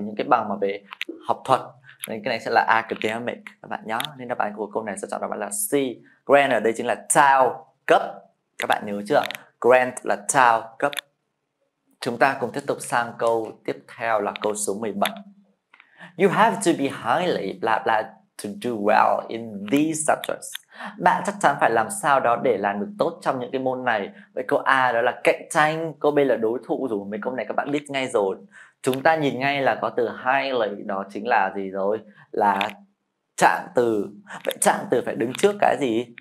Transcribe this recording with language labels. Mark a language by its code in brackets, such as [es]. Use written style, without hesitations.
[vi] Những cái bằng mà về học thuật. Nên cái này sẽ là academic các bạn nhớ. Nên đáp án của câu này sẽ chọn đáp án là C. Grant ở đây chính là trao cấp. Các bạn nhớ chưa? Grant là trao cấp. Chúng ta cùng tiếp tục sang câu tiếp theo là câu số 17. [en] You have to be highly blah blah to do well in these subjects. [vi] Bạn chắc chắn phải làm sao đó để làm được tốt trong những cái môn này. Vậy câu A đó là cạnh tranh, câu B là đối thủ. Dù mấy câu này các bạn biết ngay rồi. Chúng ta nhìn ngay là có từ highly đó chính là gì rồi? Là trạng từ. Vậy trạng từ phải đứng trước cái gì?